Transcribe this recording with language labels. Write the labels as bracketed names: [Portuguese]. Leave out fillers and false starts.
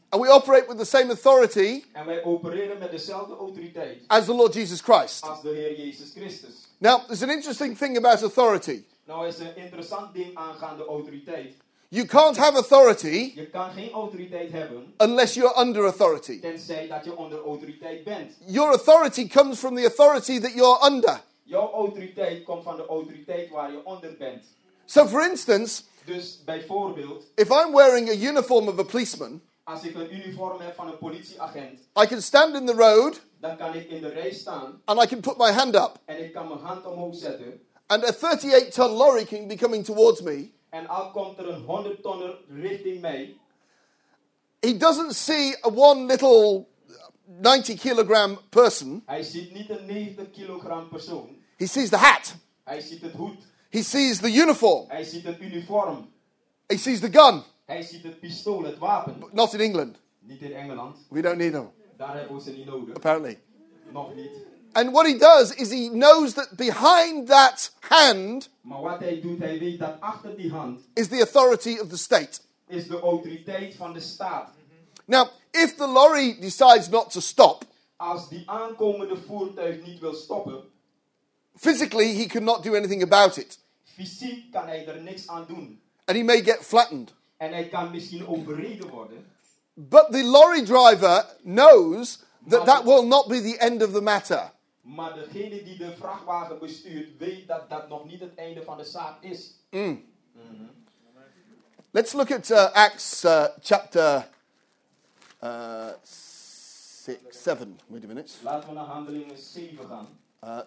[English] And we operate with the same authority [Dutch] en wij opereren met dezelfde autoriteit [English] as the Lord Jesus Christ. [Dutch] Als de Heer Jezus Christus. [English] Now, there's an interesting thing about authority. [Dutch] Nou is een interessant ding aangaande autoriteit. [English] You can't have authority [Dutch] je kan geen autoriteit hebben [English] unless you're under authority. [Dutch] Tenzij dat je onder autoriteit bent. [English] Your authority comes from the authority that you're under. [Dutch] Jouw autoriteit komt van de autoriteit waar je onder bent. [English] So for instance, [Dutch] dus bijvoorbeeld, [English] if I'm wearing a uniform of a policeman, [Dutch] als ik een uniform heb van een politieagent, [English] I can stand in the road, [Dutch] dan kan ik in de rij staan, [English] and I can put my hand up, [Dutch] en ik kan mijn hand omhoog zetten, [English] and a 38-ton lorry can be coming towards me, [Dutch] en al komt er een 100-tonner richting mij, [English] he doesn't see a one little 90-kilogram person, [Dutch] hij ziet niet een 90-kilogram persoon, [English] he sees the hat, [Dutch] hij ziet het hoed, [English] he sees the uniform. [Dutch] Hij ziet het uniform. [English] He sees the gun. [Dutch] Hij ziet het pistool, het wapen. [English] But not in England. [Dutch] Niet in Engeland. [English] We don't need them. [Dutch] Daar hebben we ze niet nodig. [English] Apparently. [Dutch] Nog niet. [English] And what he does is he knows that behind that hand. [Dutch] Maar wat hij doet, hij weet dat achter die hand. [English] Is the authority of the state. [Dutch] Is de autoriteit van de staat. [English] Mm-hmm. Now, if the lorry decides not to stop. [Dutch] Als die aankomende voertuig niet wil stoppen. [English] Physically, he cannot do anything about it. [Dutch] Fysiek kan hij er niks aan doen. [English] And he may get flattened. [Dutch] En hij kan misschien overreden worden. [English] But the lorry driver knows that that will not be the end of the matter. [Dutch] Maar degene die de vrachtwagen bestuurt, weet dat dat nog niet het einde van de zaak is. [English] Mm. Mm-hmm. Let's look at Acts chapter 7. Wait a minute. [Dutch] Laten we naar Handelingen 7 gaan.